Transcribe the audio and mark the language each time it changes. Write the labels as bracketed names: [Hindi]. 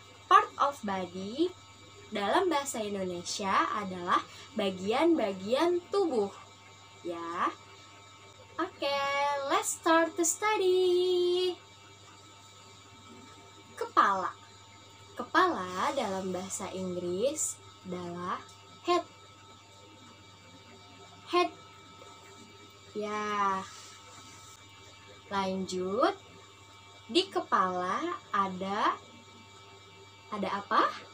[English] Part of body [Indonesian] dalam bahasa Indonesia adalah bagian-bagian tubuh. Ya, yeah. [English] Okay, let's start to study. [Indonesian] Kepala. Kepala dalam bahasa Inggris adalah head. Head. Ya. Lanjut. Di kepala ada apa?